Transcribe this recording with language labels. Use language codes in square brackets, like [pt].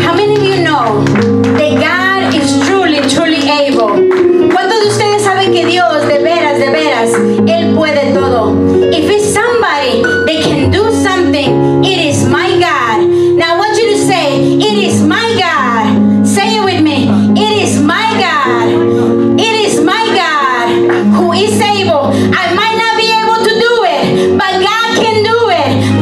[en] How many of you know that God is truly, truly able? [es] ¿Cuántos de ustedes saben que Dios, de veras, de veras, Él puede todo? [en] If it's somebody that can do something, it is my God. Now I want you to say, it is my God. Say it with me. It is my God. It is my God who is able. I might not be able to do it, but God can do it.